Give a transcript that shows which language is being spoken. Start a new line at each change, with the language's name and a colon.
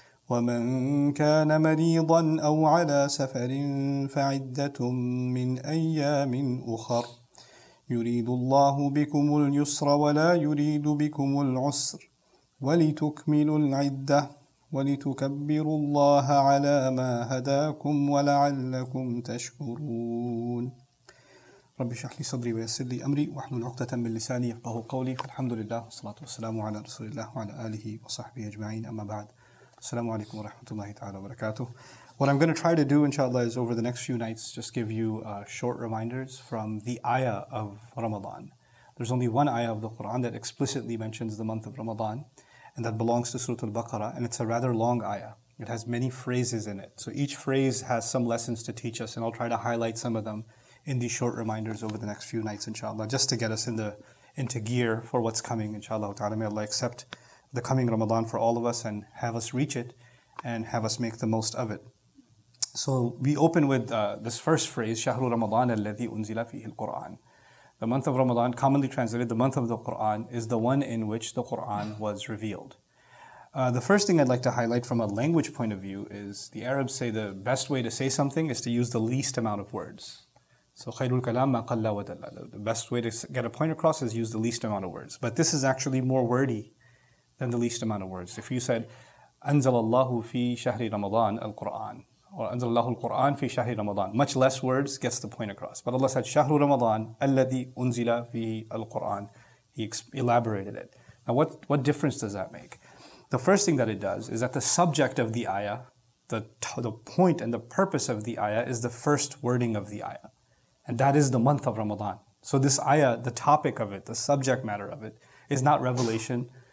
Arabic: ومن كان مريضا أو على سفر فعدة من أيام أخر يريد الله بكم اليسر ولا يريد بكم العسر ولتكملوا العدة ولتكبروا الله على ما هداكم ولعلكم تشكرون رب اشرح لي صدري ويسر لي أمري واحلل عقدة من لساني يفقهوا قولي الحمد لله والصلاة والسلام على رسول الله وعلى آله وصحبه أجمعين أما بعد السلام عليكم ورحمة الله تعالى وبركاته.
English: What I'm going to try to do, inshallah, is over the next few nights, just give you short reminders from the ayah of Ramadan. There's only one ayah of the Qur'an that explicitly mentions the month of Ramadan, and that belongs to Surah Al-Baqarah, and it's a rather long ayah. It has many phrases in it. So each phrase has some lessons to teach us, and I'll try to highlight some of them in these short reminders over the next few nights, inshallah, just to get us into gear for what's coming, inshallah. Ta'ala, may Allah accept the coming Ramadan for all of us and have us reach it and have us make the most of it. So we open with this first phrase,
Arabic: شَهْرُ رَمَضَانَ الَّذِي أُنزِلَ فِيهِ الْقُرْآنِ.
English: The month of Ramadan, commonly translated the month of the Qur'an, is the one in which the Qur'an was revealed. The first thing I'd like to highlight from a language point of view is the Arabs say the best way to say something is to use the least amount of words.
Arabic: So خَيْرُ الْكَلَامَ قَلَّ وَدَلَّ.
English: The best way to get a point across is use the least amount of words. But this is actually more wordy than the least amount of words. If you said,
Arabic: أَنزَلَ اللَّهُ فِي شَهْرِ رَمَضَانَ الْقُرْآنِ
English: or
Arabic: أَنزَلَ الْقُرْآنَ فِي شَهْرِ رَمَضَانَ,
English: much less words gets the point across. But Allah said,
Arabic: شَهْرُ رَمَضَانَ الَّذِي أُنزِلَ فِيهِ الْقُرْآنَ.
English: He elaborated it. Now what difference does that make? The first thing that it does is that the subject of the ayah, the point and the purpose of the ayah is the first wording of the ayah. And that is the month of Ramadan. So this ayah, the topic of it, the subject matter of it, is not revelation.